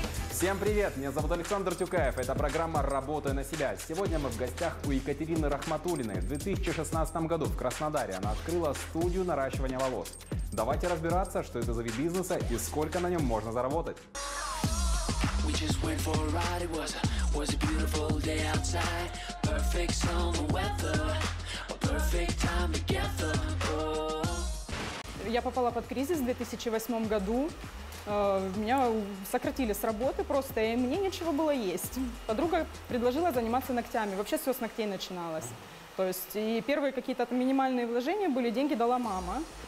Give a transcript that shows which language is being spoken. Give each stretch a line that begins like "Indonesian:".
Russian: Всем привет! Меня зовут Александр Тюкаев. Это программа «Работай на себя». Сегодня мы в гостях у Екатерины Рахматуллиной. В 2016 году в Краснодаре она открыла студию наращивания волос. Давайте разбираться, что это за вид бизнеса и сколько на нем можно заработать.
English: We just went for a ride, it was a beautiful day outside. Perfect summer weather, a perfect time together.
Russian: Я попала под кризис в 2008 году. Меня сократили с работы просто, и мне нечего было есть. Подруга предложила заниматься ногтями. Вообще все с ногтей начиналось. То есть и первые какие-то минимальные вложения были, деньги дала мама.